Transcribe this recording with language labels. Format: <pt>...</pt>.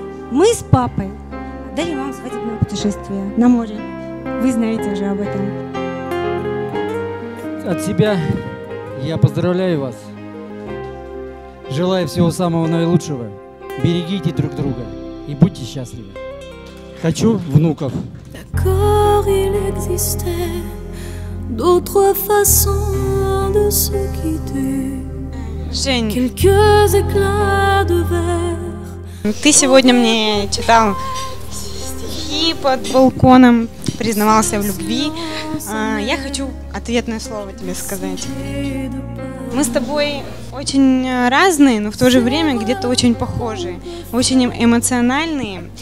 <ru>Мы с папой дарим вам свадебное путешествие на море. Вы знаете уже об этом. От себя я поздравляю вас. Желаю всего самого наилучшего. Берегите друг друга и будьте счастливы. Хочу внуков.</ru> <fr>D'accord, il existait d'autres façons de se quitter.</fr> <ru>Жень.</ru> <fr>Quelques éclats de verre.</fr> <ru>Ты сегодня мне читал стихи под балконом, признавался в любви. Я хочу ответное слово тебе сказать. Мы с тобой очень разные, но в то же время где-то очень похожи, очень эмоциональные.</ru>